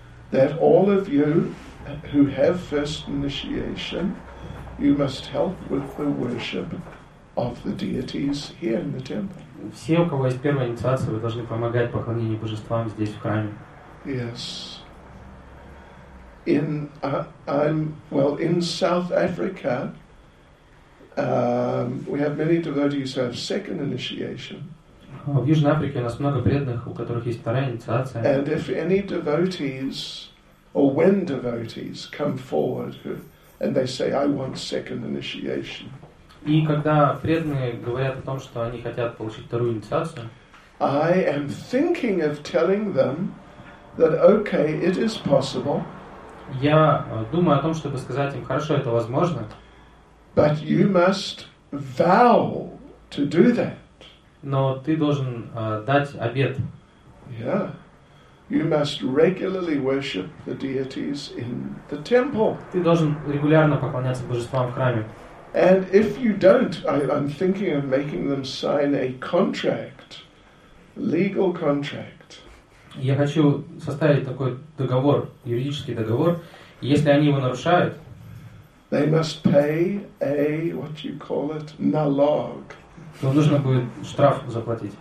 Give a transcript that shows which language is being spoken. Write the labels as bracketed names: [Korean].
[English] That all of you who have first initiation, you must help with the worship of the deities here in the temple. [Russian] Все, у кого есть первая инициация, вы должны помогать поклонению божествам здесь в храме. [English] Yes. In I'm well in South Africa. We have many devotees who have second initiation. [Russian] В Южной Африке у нас много преданных, у которых есть вторая инициация. [English] And if any devotees or when devotees come forward who, and they say, I want second initiation. [Russian] И когда преданные говорят о том, что они хотят получить вторую инициацию, [English] I am thinking of telling them that okay, it is possible. [Russian] Я думаю о том, чтобы сказать им, хорошо, это возможно. [English] But you must vow to do that. [Russian] Но ты должен дать обет. [English] Yeah. You must regularly worship the deities in the temple. [Russian] Ты должен регулярно поклоняться божествам в храме. [English] And if you don't, I'm thinking of making them sign a contract, legal contract. [Russian] Я хочу составить такой договор, юридический договор. Если они его нарушают, [English] they must pay a what you call it nalog. [Russian] То нужно будет штраф заплатить.